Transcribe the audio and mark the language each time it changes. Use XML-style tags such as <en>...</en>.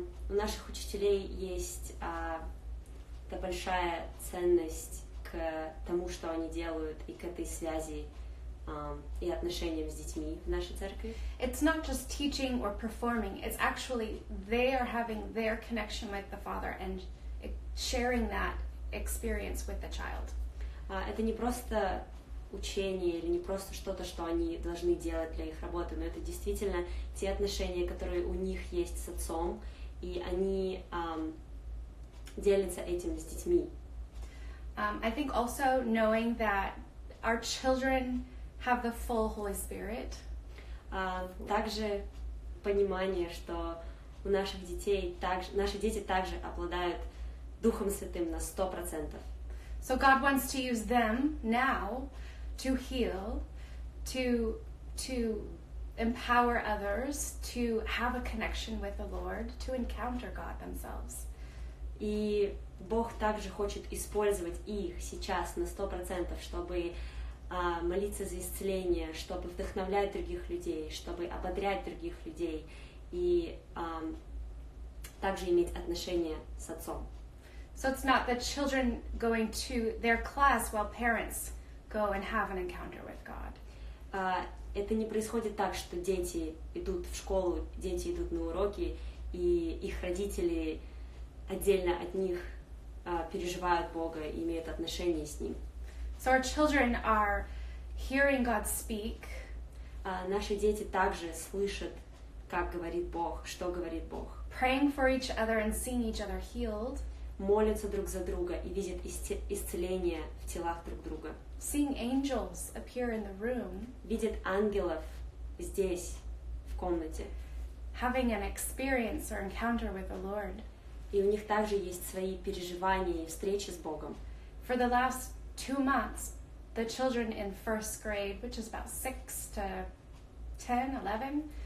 <ru>У наших учителей есть та большая ценность к тому, что они делают, и к этой связи и отношениям с детьми в нашей церкви.</ru> <en>It's not just teaching or performing. It's actually they are having their connection with the Father and sharing that experience with the child.</en> <ru>Это не просто учение или не просто что-то, что они должны делать для их работы, но это действительно те отношения, которые у них есть с отцом, и они делятся этим с детьми.</ru> <en>I think also knowing that our children have the full Holy Spirit.</en> <ru>Также понимание, что у наших детей также наши дети также обладают Духом Святым на 100%.</ru> <en>So God wants to use them now to heal, to empower others, to have a connection with the Lord, to encounter God themselves.</en> <ru>И Бог также хочет использовать их сейчас на 100%, чтобы молиться за исцеление, чтобы вдохновлять других людей, чтобы ободрять других людей и также иметь отношения с отцом.</ru> <en>So it's not the children going to their class while parents go and have an encounter with God.</en> <ru>Это не происходит так, что дети идут в школу, дети идут на уроки, и их родители отдельно от них переживают Бога и имеют отношение с Ним.</ru> <en>So our children are hearing God speak.</en> <ru>Наши дети также слышат, как говорит Бог, что говорит Бог.</ru> <en>Praying for each other and seeing each other healed.</en> <ru>Молятся друг за друга и видят исцеление в телах друг друга.</ru> <en>Seeing angels appear in the room.</en> <ru>Видят ангелов здесь, в комнате.</ru> <en>Having an experience or encounter with the Lord.</en> <ru>И у них также есть свои переживания и встречи с Богом.</ru> <en>For the last 2 months, the children in first grade, which is about 6 to 10, 11.</en>